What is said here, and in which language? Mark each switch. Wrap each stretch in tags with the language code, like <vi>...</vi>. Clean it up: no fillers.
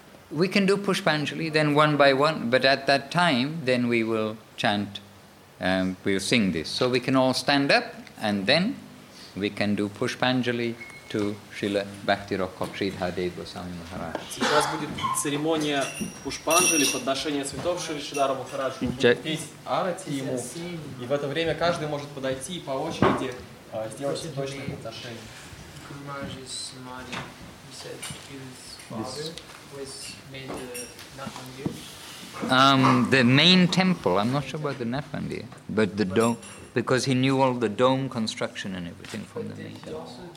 <en>We can do Pushpanjali, then one by one, but at that time, then we will chant, we'll sing this. So we can all stand up, and then we can do Pushpanjali to Srila Bhakti Rokha Sridhara Dev Goswami Maharaj.</en> <ru>Сейчас будет церемония Пушпанджали, подношение цветов Шри Шридхара Махараджу. Петь арати ему, и в это время каждый может подойти и по очереди сделать цветочное подношение.</ru> <en>Guru Maharaj is Samadhi. He said his father was made the Nathmandir. The main temple, I'm not sure about the Nathmandir, but the dome, because he knew all the dome construction and everything from the main temple.</en>